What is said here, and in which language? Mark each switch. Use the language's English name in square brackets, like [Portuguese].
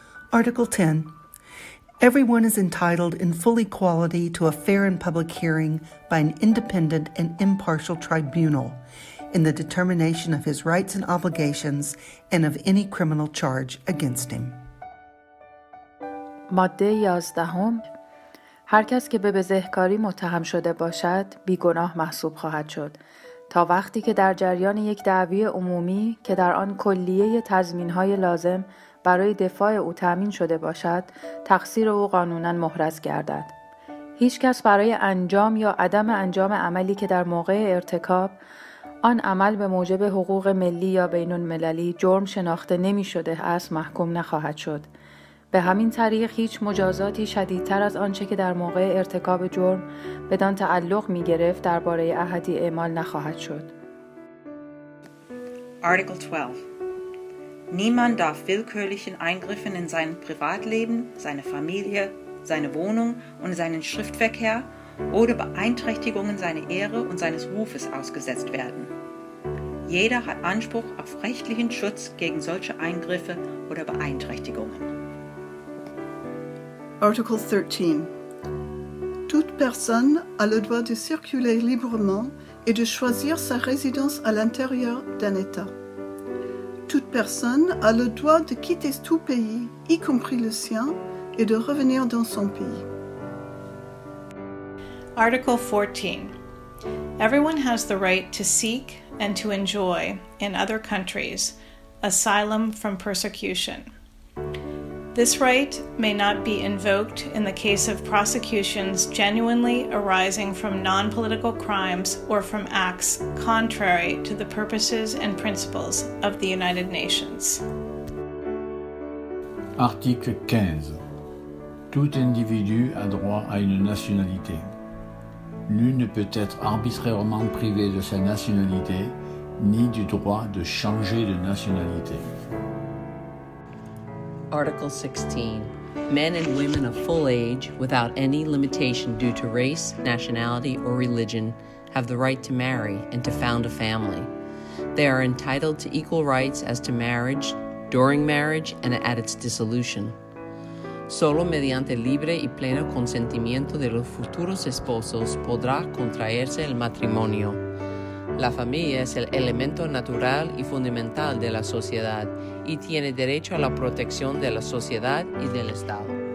[English] Article 10. Everyone is entitled in full equality to a fair and public hearing by an independent and impartial tribunal in the determination of his rights and obligations and of any criminal charge against him. [Persian] ماده 11 هر کس که به بزهکاری متهم شده باشد بی گناه محسوب خواهد شد تا وقتی که در جریان یک دعوی عمومی که در آن کلیه تضمین‌های لازم برای دفاع او تأمین شده باشد تقصیر او قانوناً محرز گردد هیچ کس برای انجام یا عدم انجام عملی که در موقع ارتکاب آن عمل به موجب حقوق ملی یا بین‌المللی جرم شناخته نمی‌شده است محکوم نخواهد شد به همین طریق هیچ مجازاتی شدیدتر از آنچه که در موقع ارتکاب جرم بدان تعلق می‌گرفت درباره احدی اعمال نخواهد شد. [English] Article 12. [German] Niemand darf willkürlichen Eingriffen in sein Privatleben, seine Familie, seine Wohnung und seinen Schriftverkehr oder Beeinträchtigungen seiner Ehre und seines Rufes ausgesetzt werden. Jeder hat Anspruch auf rechtlichen Schutz gegen solche Eingriffe oder Beeinträchtigungen. [English] Article 13. [French] Toute personne a le droit de circuler librement et de choisir sa résidence à l'intérieur d'un État. Toute personne a le droit de quitter tout pays, y compris le sien, et de revenir dans son pays. [English] Article 14. Everyone has the right to seek and to enjoy, in other countries, asylum from persecution. This right may not be invoked in the case of prosecutions genuinely arising from non-political crimes or from acts contrary to the purposes and principles of the United Nations. [French] Article 15. Tout individu a droit à une nationalité. Nul ne peut être arbitrairement privé de sa nationalité, ni du droit de changer de nationalité. [English] Article 16. Men and women of full age, without any limitation due to race, nationality, or religion, have the right to marry and to found a family. They are entitled to equal rights as to marriage, during marriage, and at its dissolution. [Spanish] Solo mediante libre y pleno consentimiento de los futuros esposos podrá contraerse el matrimonio. La familia es el elemento natural y fundamental de la sociedad y tiene derecho a la protección de la sociedad y del Estado.